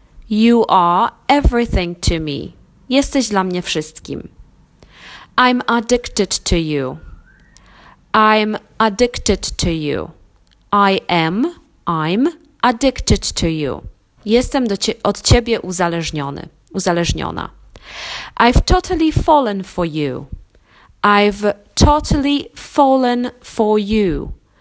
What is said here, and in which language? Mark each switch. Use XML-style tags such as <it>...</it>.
<en>You are everything to me.</en> <pl>Jesteś dla mnie wszystkim.</pl> <en>I'm addicted to you. I'm addicted to you. I'm addicted to you.</en> <pl>Jestem od ciebie uzależniony, uzależniona.</pl> <en>I've totally fallen for you. I've totally fallen for you.</en>